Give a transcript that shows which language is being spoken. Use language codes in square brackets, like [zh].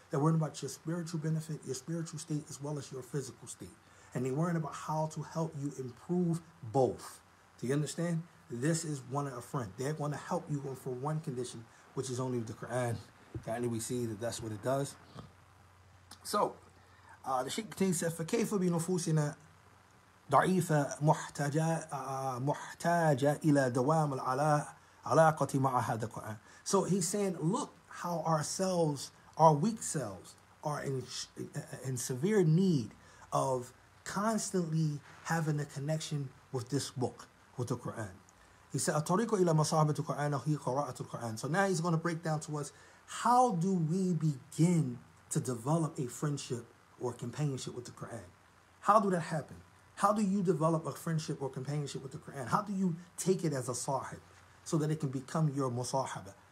[en] They're worrying about your spiritual benefit, your spiritual state, as well as your physical state. And they're worrying about how to help you improve both. Do you understand? This is one of a friend. They're going to help you for one condition, which is only the Quran. Finally, we see that that's what it does. So, the Sheikh continues, [ar] فكيف بنفوسنا ضعيفة محتاجة إلى دوام العلاقة مع هذا القرآن. [en] So he's saying, look how ourselves, our weak selves, are in severe need of constantly having a connection with this book, with the Quran. He said, [ar] الطريق إلى مصاحبة القرآن هي قراءة القرآن. [en] So now he's going to break down to us, how do we begin to develop a friendship or companionship with the Quran? How do that happen? How do you develop a friendship or companionship with the Quran? How do you take it as a sahib so that it can become your musahaba?